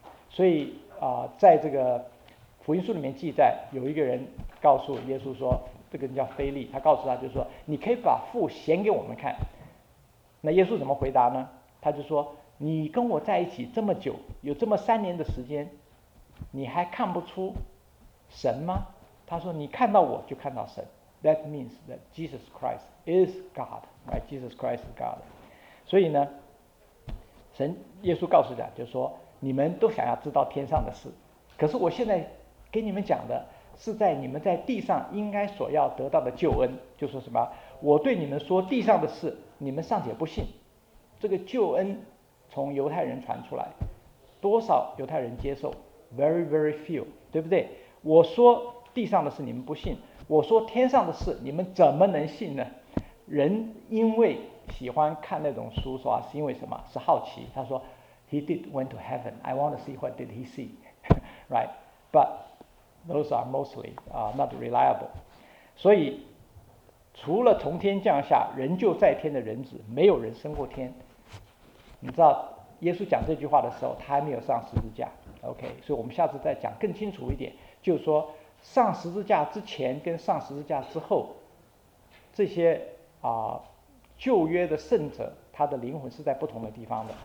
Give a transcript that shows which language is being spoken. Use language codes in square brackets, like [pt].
[zh] 所以在这个福音书里面记载，有一个人告诉耶稣说，这个人叫腓力，他告诉他就是说，你可以把父显给我们看。那耶稣怎么回答呢？他就说，你跟我在一起这么久，有这么三年的时间，你还看不出神吗？他说，你看到我就看到神。 [en] That means that Jesus Christ is God, right? Jesus Christ is God. [zh] 所以呢，神耶稣告诉他就说，你们都想要知道天上的事，可是我现在给你们讲的是在你们在地上应该所要得到的救恩。就说什么，我对你们说地上的事，你们尚且不信。这个救恩从犹太人传出来，多少犹太人接受？ [en] Very very few， [zh] 对不对？我说地上的事你们不信，我说天上的事你们怎么能信呢？人因为喜欢看那种书，是因为什么？是好奇。他说 [en] He did went to heaven. I want to see what did he see, right? But those are mostly not reliable. [zh] 所以除了从天降下人就在天的人子，没有人升过天。你知道耶稣讲这句话的时候，他还没有上十字架。 OK， 所以我们下次再讲更清楚一点，就是说上十字架之前跟上十字架之后，这些旧约的圣者，他的灵魂是在不同的地方的。